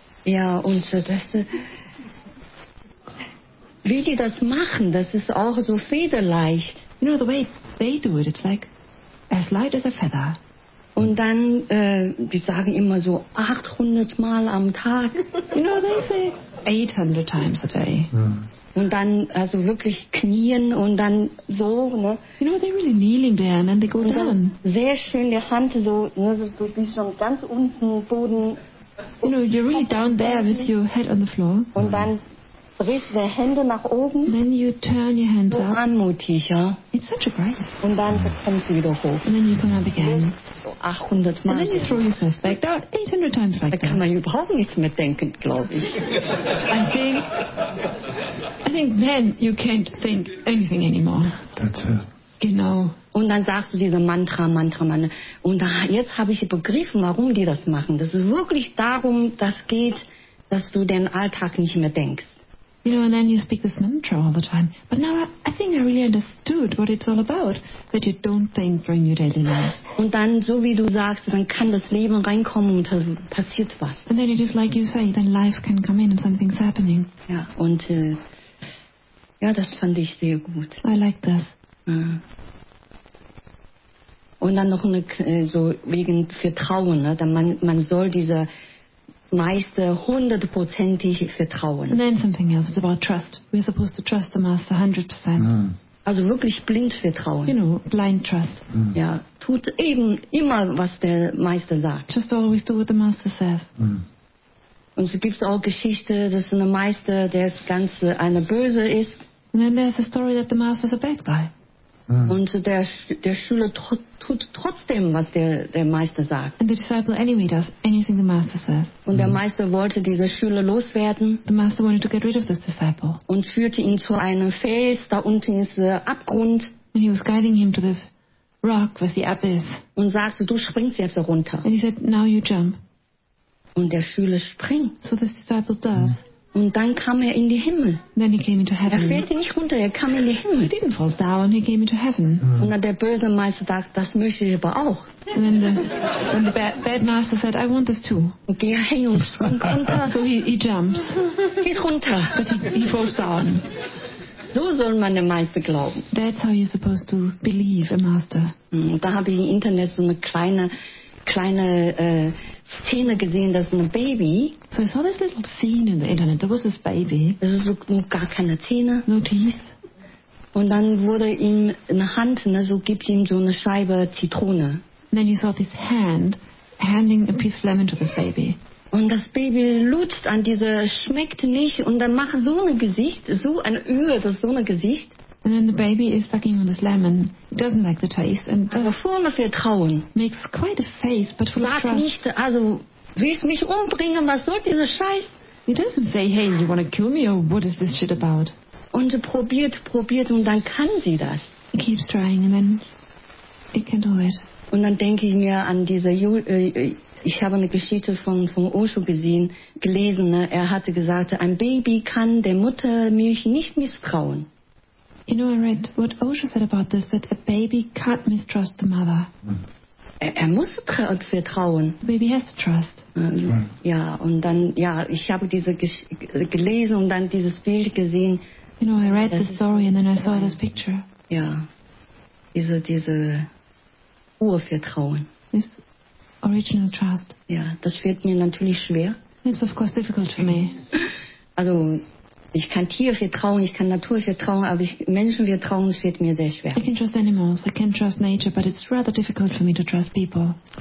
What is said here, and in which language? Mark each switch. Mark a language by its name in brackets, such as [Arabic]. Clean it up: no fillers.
[German] Ja, und das wie die das machen, das ist auch so federleicht. [English] You know the way they do it, it's like as light as a feather. [German] Und dann, die sagen immer so 800 Mal am Tag. [English] You know, they say 800 times a day. Mm. [German] Und dann, also wirklich knien und dann so, ne? [English] You know, they're really kneeling there and then they go [German] und [English] down. [German] Sehr schön, die Hand so, ne, du bist schon ganz unten im Boden. [English] You know, you're really down there with your head on the floor. [German] Und dann drehst du Hände nach oben. [English] Then you turn your hands [German] so [English] up. [German] Anmutig, ja. [English] It's such a grace. [German] Und dann kommst du wieder hoch. [English] And then you come up again. [German] 800 Mal. [English] And then you throw yourself back down 800 times like [German] da [English] that. [German] Da kann man überhaupt nichts mehr denken, glaube ich. [English] I think then you can't think anything anymore. That's it. [German] Genau. Und dann sagst du diese Mantra. Und da, jetzt habe ich begriffen, warum die das machen. Das ist wirklich darum, dass geht, dass du den Alltag nicht mehr denkst. [English] You know, and then you speak this mantra all the time. But now I think I really understood what it's all about, that you don't think during your daily life. [German] Und dann, so wie du sagst, dann kann das Leben reinkommen und passiert was. [English] And then it is like you say, then life can come in and something's happening. [German] Ja, und ja, das fand ich sehr gut. [English] I like this. [German] Und dann noch eine, so wegen Vertrauen, ne? Dann man soll diese Meister hundertprozentig vertrauen. [English] And then something else, it's about trust. We're supposed to trust the master 100%. Mm. [German] Also wirklich blind vertrauen. [English] You know, blind trust. [German] Ja, tut eben immer, was der Meister sagt. [English] Just always do what the master says. [German] Und so gibt es auch Geschichte, dass ein Meister, der das Ganze eine Böse ist. [English] And then there's a story that the master is a bad guy. [German] Und der Schüler tut trotzdem, was der Meister sagt. [English] And the disciple anyway does anything the master says. [German] Und der Meister wollte diesen Schüler loswerden. [English] The master wanted to get rid of this disciple. [German] Und führte ihn zu einem Fels, da unten ist der Abgrund. [English] And he was guiding him to this rock, was the abyss. [German] Und sagte, du springst jetzt runter. [English] And he said, now you jump. [German] Und der Schüler springt. [English] So the disciple does. [German] Und dann kam er in den Himmel. [English] Then he came into heaven. [German] Er fällt nicht runter, er kam in den Himmel. [English] He didn't fall down, he came into heaven. [German] Und dann der böse Meister sagt, das möchte ich aber auch. [English] And then the bad master said, I want this too. [German] Okay, hey, und springt runter. [English] So he jumped. [German] Geht runter. [English] But he falls down. [German] So soll man dem Meister glauben. [English] That's how you're supposed to believe a master. [German] Und da habe ich im Internet so eine kleine Szene gesehen, dass ein Baby. [English] So I saw this little scene in the internet. There was this baby. [German] Es ist so gar keine Zähne. [English] No teeth. [German] Und dann wurde ihm eine Hand, ne, so gibt ihm so eine Scheibe Zitrone. [English] And then you saw this hand handing a piece of lemon to this baby. [German] Und das Baby lutscht an diese, schmeckt nicht und dann macht so ein Gesicht, so ein Gesicht. [English] And then the baby is sucking on this lemon. It doesn't like the taste. And [German] aber voll of Vertrauen. [English] Makes quite a face, but full of trust. [German] Nicht, also, willst mich umbringen? Was soll dieser Scheiß? [English] He doesn't say, hey, you want to kill me? Or what is this shit about? [German] Und probiert und dann kann sie das. [English] He keeps trying and then he can do it. [German] Und dann denke ich mir an diese ich habe eine Geschichte von Osho gesehen, gelesen. Ne? Er hatte gesagt, ein Baby kann der Muttermilch nicht misstrauen. [English] You know, I read what Osho said about this, that a baby can't mistrust the mother. [German] Er muss vertrauen. [English] The baby has to trust. [German] Ja, und dann, ja, ich habe diese gelesen und dann dieses Bild gesehen. [English] You know, I read the story and then I saw this picture. [German] Ja, diese Urvertrauen. [English] This original trust. [German] Ja, das fällt mir natürlich schwer. [English] It's of course difficult for me. [German] Also, ich kann Tier vertrauen, ich kann Natur vertrauen, aber ich Menschen vertrauen, das wird mir sehr schwer. [English] I can trust animals, I can trust nature, but it's rather difficult for me to trust people.